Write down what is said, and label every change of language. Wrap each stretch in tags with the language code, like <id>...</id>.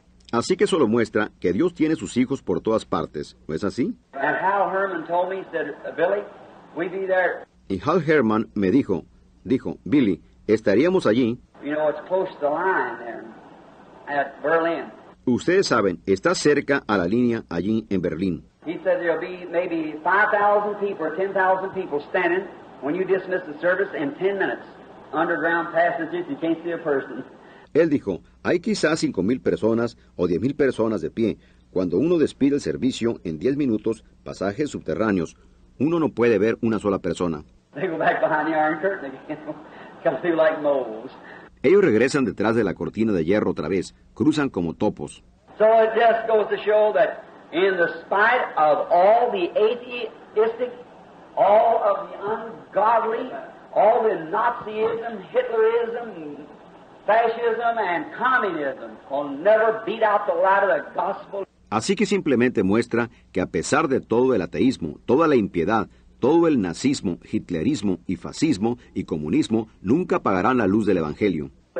<es>Así que solo muestra que Dios tiene sus hijos por todas partes, ¿no es así?</es> <en>And Hal Herman told me, said, Billy, we'd be there.</en> <es>Y Hal Herman me dijo, Billy, estaríamos allí.</es> <en>You know, it's close to the line there, at Berlin.</en> <es>Ustedes saben, está cerca a la línea allí en Berlín.</es> <en>He said there'll be maybe 5,000 people or 10,000 people standing when you dismiss the service in 10 minutes. Underground passages, you can't see a person.</en> <es>Él dijo, hay quizás 5,000 personas o 10,000 personas de pie. Cuando uno despide el servicio en 10 minutos, pasajes subterráneos, uno no puede ver una sola persona.</es> <en>They go back behind the iron curtain again. Come through like moles.</en> <es>Ellos regresan detrás de la cortina de hierro otra vez, cruzan como topos.</es> <en>So it just goes to show that in the spite of all the atheistic, all of the ungodly, all the Nazism, Hitlerism, fascism and communism will never beat out the light of the gospel.</en> <es>Así que simplemente muestra que a pesar de todo el ateísmo, toda la impiedad, todo el nazismo, hitlerismo y fascismo y comunismo nunca apagarán la luz del Evangelio.</es>